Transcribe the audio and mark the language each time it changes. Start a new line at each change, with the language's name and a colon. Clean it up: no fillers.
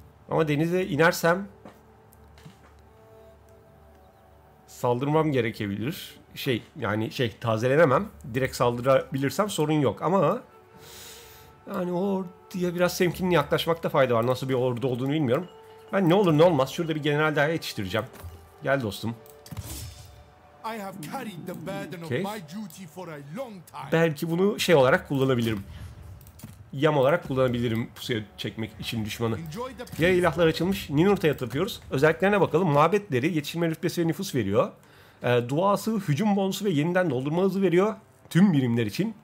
Turkish: Ama denize inersem saldırmam gerekebilir. şey yani şey tazelenemem. Direkt saldırabilirsem sorun yok ama yani orduya biraz temkinli yaklaşmakta fayda var. Nasıl bir ordu olduğunu bilmiyorum. Ben ne olur ne olmaz şurada bir general daha yetiştireceğim. Gel dostum.
English: I have carried the burden of my duty for a long time.
Turkish: Belki bunu şey olarak kullanabilirim. Yam olarak kullanabilirim pusuya çekmek için düşmanı. Yer ilahlar açılmış. Ninurta'ya tapıyoruz. Özelliklerine bakalım. Mabetleri, yetişme rütbesi ve nüfus veriyor. Duası, hücum bonusu ve yeniden doldurma hızı veriyor. Tüm birimler için.